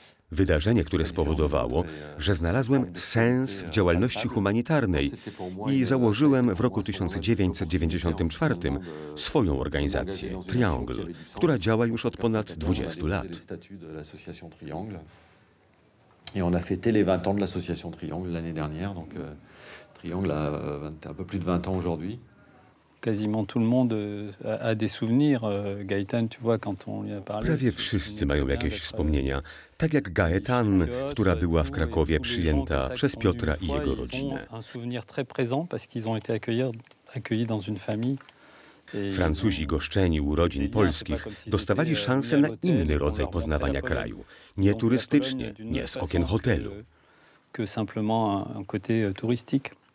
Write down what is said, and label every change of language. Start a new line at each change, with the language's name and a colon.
Polish: Wydarzenie, które spowodowało, że znalazłem sens w działalności humanitarnej i założyłem w roku 1994 swoją organizację, Triangle, która działa już od ponad 20 lat.
French: I on a fêté les 20 ans de l'association Triangle l'année dernière, donc Triangle a un peu plus de 20 ans aujourd'hui. Quasiment tout le monde a des souvenirs, Gaëtan, tu vois, quand on lui a parlé.
Polish: Prawie wszyscy mają jakieś wspomnienia, tak jak Gaëtan, która była w Krakowie przyjęta przez Piotra i jego rodzinę.
French: Un souvenir très présent parce qu'ils ont été accueillis dans une famille.
Polish: Francuzi goszczeni u rodzin polskich dostawali szansę na inny rodzaj poznawania kraju, nie turystycznie, nie z okien hotelu.
French: Que simplement un côté touristique.